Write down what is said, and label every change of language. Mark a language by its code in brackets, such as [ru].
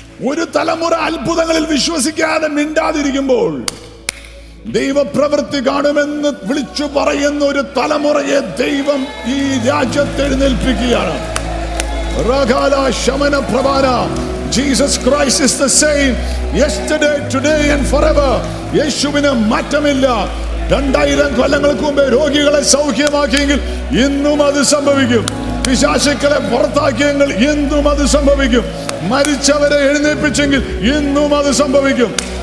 [ml] ഒരു തലമുറ അത്ഭുതങ്ങളിൽ വിശ്വസിക്കാതെ മിണ്ടാതിരിക്കുമ്പോൾ ദൈവപ്രവൃത്തി കാണുമെന്ന് വിളിച്ചു പറയുന്ന ഒരു തലമുറയെ ദൈവം ഈ രാജ്യത്തെ എഴുന്നേൽപ്പിക്കുകയാണ്. റഗാല ശമന പ്രവാന. [en] Jesus Christ is the same yesterday, today and forever. [ml] യേശുവിനെ മാറ്റമില്ല. 2000 കൊല്ലങ്ങൾക്ക് മുമ്പ് രോഗികളെ സൗഖ്യമാക്കിയെങ്കിൽ ഇന്നും അത് സംഭവിക്കും. പിശാചുക്കളെ പുറത്താക്കിയെങ്കിൽ ഇന്നും അത് സംഭവിക്കും. മരിച്ചവരെ എഴുന്നേൽപ്പിച്ചെങ്കിൽ ഇന്നും അത് സംഭവിക്കും.